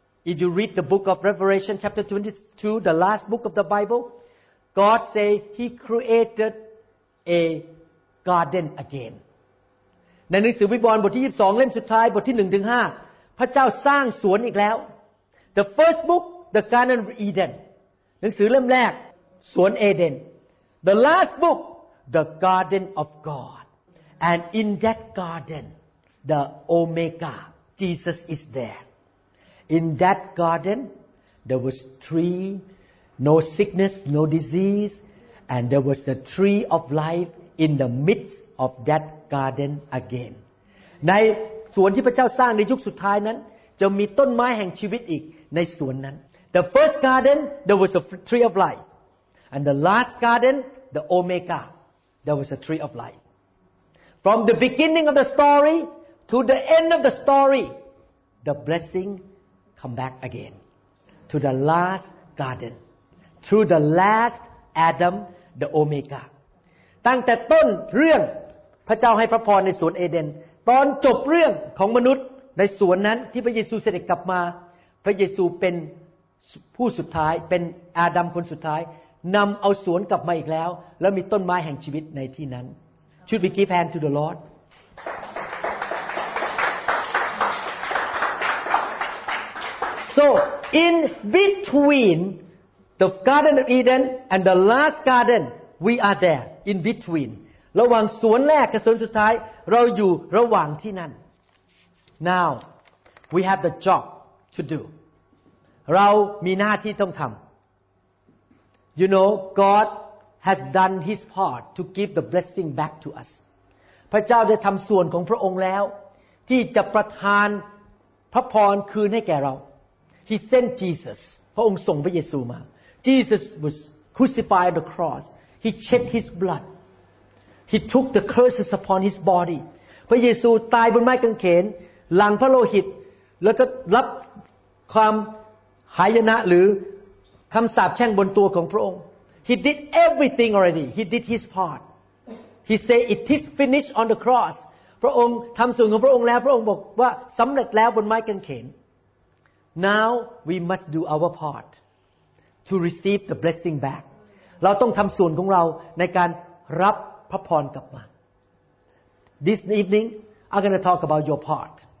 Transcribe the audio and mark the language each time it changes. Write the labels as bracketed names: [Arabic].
[English] If you read the book of Revelation chapter 22 the last book of the Bible God say he created a garden again [Thai] ในหนังสือวิวรณ์บทที่22เล่มสุดท้ายบทที่1ถึง5พระเจ้าสร้างสวนอีกแล้ว [English] The first book the Garden of Eden [Thai] หนังสือเล่มแรกสวนเอเดน [English] The last book the Garden of GodAnd in that garden, the Omega, Jesus is there. In that garden, there was tree, no sickness, no disease, and there was the tree of life in the midst of that garden again. [Thai] ในสวนที่พระเจ้าสร้างในยุคสุดท้ายนั้นจะมีต้นไม้แห่งชีวิตอีกในสวนนั้น [English] The first garden, there was a tree of life. And the last garden, the Omega, there was a tree of life. From the beginning of the story to the end of the story, the blessing come back again to the last garden, to the last Adam, the Omega. [Thai] ตั้งแต่ต้นเรื่องพระเจ้าให้พระพรในสวนเอเดนตอนจบเรื่องของมนุษย์ในสวนนั้นที่พระเยซูเสด็จกลับมาพระเยซูเป็นผู้สุดท้ายเป็นอาดัมคนสุดท้ายนำเอาสวนกลับมาอีกแล้วแล้วมีต้นไม้แห่งชีวิตในที่นั้น [English] Should we give hand to the Lord? So, in between the Garden of Eden and the last garden, we are there, in between. [Thai] ระหว่างสวนแรกกับสวนสุดท้ายเราอยู่ระหว่างที่นั่น [English] Now, we have the job to do. [Thai] เรามีหน้าที่ต้องทำ [English] You know, GodHas done His part to give the blessing back to us. [Thai] พระเจ้าได้ทำส่วนของพระองค์แล้วที่จะประทานพระพรคืนให้แก่เรา [English] He sent Jesus. [Thai] พระองค์ส่งพระเยซูมา [English] Jesus was crucified on the cross. He shed His blood. He took the curses upon His body. [Thai] พระเยซูตายบนไม้กางเขนหลังพระโลหิตแล้วก็รับความหายนะหรือคำสาปแช่งบนตัวของพระองค์ [English] He did everything already. He did his part. He said, "It is finished on the cross." [Thai] พระองค์ทำส่วนของพระองค์แล้วพระองค์บอกว่าสำเร็จแล้วบนไม้กางเขน [English] Now we must do our part to receive the blessing back. [Thai] เราต้องทำส่วนของเราในการรับพระพรกลับมา [English] This evening, I'm going to talk about your part.